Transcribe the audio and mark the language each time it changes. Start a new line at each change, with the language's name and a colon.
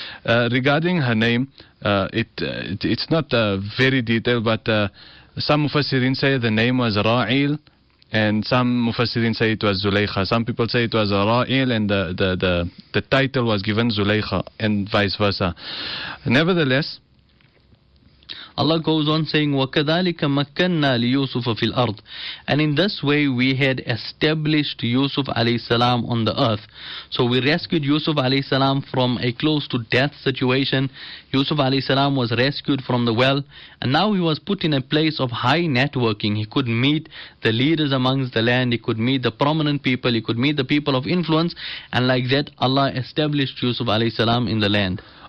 English: Regarding her name, it's not very detailed, but some mufassirin say the name was Ra'il. And some mufassirin say it was Zulaikha. Some people say it was Ra'il, and the title was given Zulaikha, and vice versa. Nevertheless, Allah goes on saying,
Arabic: وَكَذَلِكَ مَكَّنَّا لِيُوسُفَ فِي الْأَرْضِ.
English: And in this way we had established Yusuf alayhi salam on the earth. So we rescued Yusuf alayhi salam from a close to death situation. Yusuf alayhi salam was rescued from the well, and now he was put in a place of high networking. He could meet the leaders amongst the land, he could meet the prominent people, he could meet the people of influence, and like that Allah established Yusuf alayhi salam in the land.